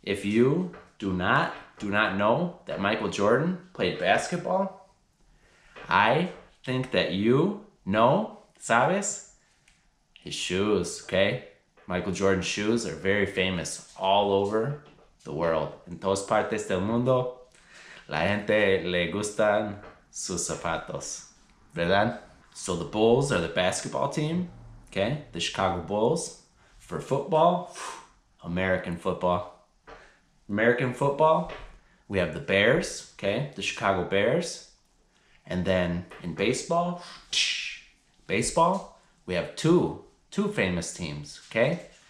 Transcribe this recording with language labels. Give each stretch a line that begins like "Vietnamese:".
English: If you do not know that Michael Jordan played basketball, I think that you know. Sabes? His shoes, okay? Michael Jordan's shoes are very famous all over the world.
Spanish: En todas partes del mundo, la gente le gustan sus zapatos, ¿verdad?
English: So the Bulls are the basketball team, okay? The Chicago Bulls. For football, American football. American football, we have the Bears, okay? The Chicago Bears. And then in baseball, baseball, we have two famous teams, okay?